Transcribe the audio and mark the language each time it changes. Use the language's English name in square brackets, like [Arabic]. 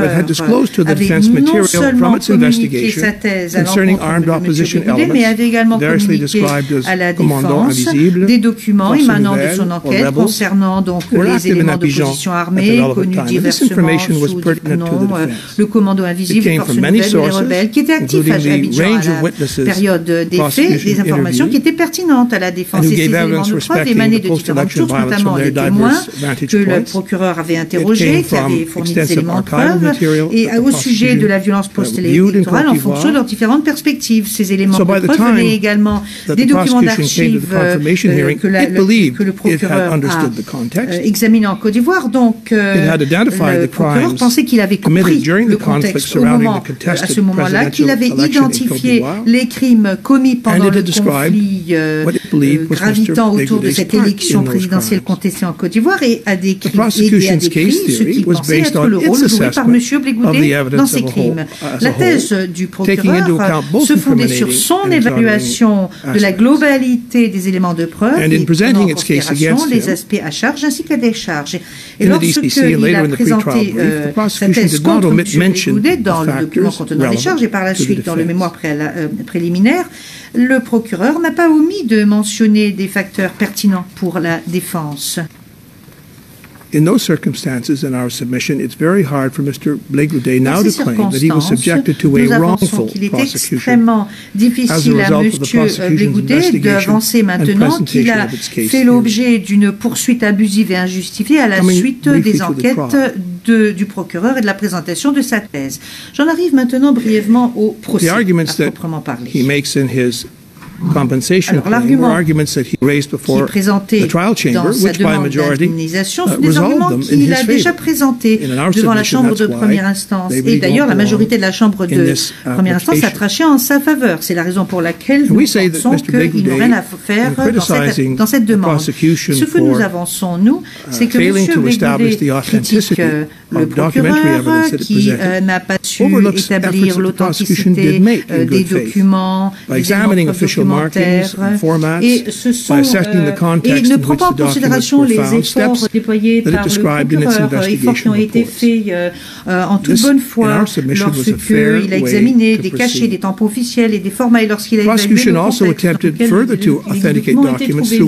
[English] but had disclosed to the defense material from its investigation [French] mais avait également communiqué à la défense des documents émanant de son enquête [English] rebels, [French] concernant donc les éléments de position armée connus diversement sous différents noms, le commando invisible des forces nouvelles et rebelles qui était actif à Abidjan à la période des faits, des informations qui étaient pertinentes à la défense et ces éléments de preuve émanaient de différentes sources, notamment les témoins que le procureur avait interrogé, qui avait fourni des éléments de preuve, et au sujet de la violence post-électorale en fonction de leurs différentes perspectives. Ces éléments de preuve venaient également des documents d'archives que le procureur a examinés en Côte d'Ivoire. Donc, le procureur pensait qu'il avait compris le contexte au moment, à ce moment-là, qu'il avait identifié les crimes commis pendant le conflit gravitant autour de cette élection présidentielle contestée en Côte d'Ivoire et a décrit [English] the prosecution's case theory was based on its assessment of the evidence [French] dans ces crimes. La thèse du procureur se fondait sur son évaluation de la globalité des éléments de preuve et prenant en considération les aspects à charge ainsi qu'à décharge. Et lorsqu'il a présenté sa thèse contre M. Goudé dans le document contenant des charges et par la suite dans le mémoire préliminaire, le procureur n'a pas omis de mentionner des facteurs pertinents pour la défense. [English] In those circumstances, in our submission, it's very hard for Mr. Blegoudé now to claim that he was subjected to a wrongful prosecution as a result of the prosecution's investigation and presentation of its case theory. Coming briefly to the crime. [French] Du procureur et de la présentation de sa thèse. J'en arrive maintenant brièvement au procès, à proprement parler. [English] The arguments that he makes in his compensation claim were arguments that he raised before [French] qui est [English] the trial chamber, which by majority resolved them in his favor. In our submission, [French] la chambre de première instance. [English] They really [French] et d'ailleurs, la majorité de la chambre de première instance a tranché en sa faveur. C'est la raison pour laquelle [English] and [French] nous pensons qu'il n'y a rien à faire dans cette demande. Ce que nous avançons, nous, c'est que M. Blegoudé critique le procureur qui n'a pas su établir l'authenticité des documents, des éléments et ne prend pas en considération les efforts déployés par le procureur, efforts qui ont été faits en toute bonne foi lorsqu'il a examiné des cachets, des tempos officiels et des formats et lorsqu'il a évalué le contexte dans lequel les documents ont été trouvés.